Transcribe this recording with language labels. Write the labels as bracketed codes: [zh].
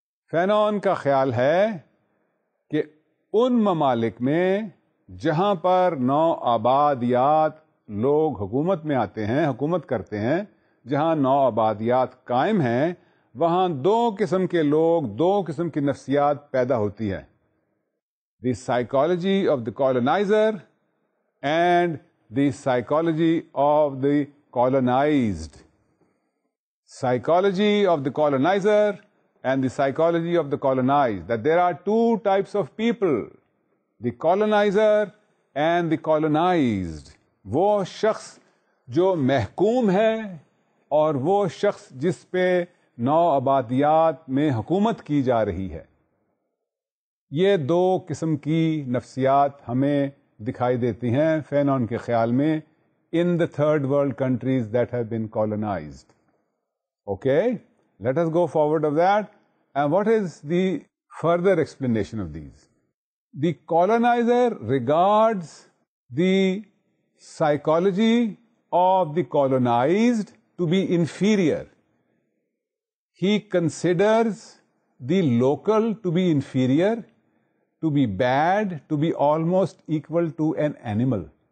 [ur] Fanon کا خیال ہے کہ ان ممالک میں جہاں پر نو آبادیات لوگ حکومت میں آتے ہیں, حکومت کرتے ہیں, جہاں نو آبادیات قائم ہیں, وہاں دو قسم کے لوگ, دو قسم کی نفسیات پیدا ہوتی ہے, [en] The psychology of the colonizer and the psychology of the colonized. psychology of the colonizer and the psychology of the colonized, that there are two types of people, the colonizer and the colonized. [ur] وہ شخص جو محکوم ہے اور وہ شخص جس پہ نو آبادیات میں حکومت کی جا رہی ہے. یہ دو قسم کی نفسیات ہمیں دکھائی دیتی ہیں فینون کے خیال میں [en] in the third world countries that have been colonized. Okay, let us go forward of that. And what is the further explanation of these? The colonizer regards the psychology of the colonized to be inferior. He considers the local to be inferior, to be bad, to be almost equal to an animal.